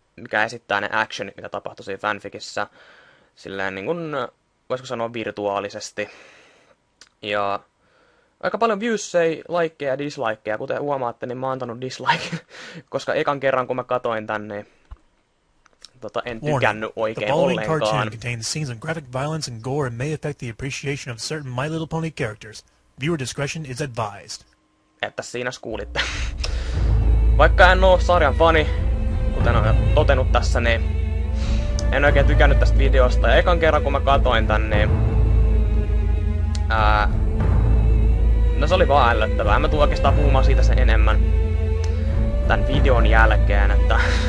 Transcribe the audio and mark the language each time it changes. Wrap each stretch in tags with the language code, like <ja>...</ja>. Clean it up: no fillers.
<fi>Mikä esittää ne actionit, mitä tapahtui siinä fanficissä. Silleen niinku... Voisiko sanoa virtuaalisesti. Ja... Aika paljon viewsei, likeja ja dislikeja, kuten huomaatte, niin mä oon antanut dislike, koska ekan kerran kun mä katoin tänne, en tykännyt oikein ollenkaan.</fi> <en>The following cartoon contains scenes of graphic violence and gore and may affect the appreciation of certain My Little Pony characters. Viewer discretion is advised.</en> <fi>Että siinä kuulitte. Vaikka en oo sarjan fani, kuten on totenut tässä, niin en oikein tykännyt tästä videosta. Ja ekan kerran kun mä katoin tänne, no se oli vaan ällöttävää. Mä tuun oikeastaan puhumaan siitä sen enemmän tän videon jälkeen, että...</fi>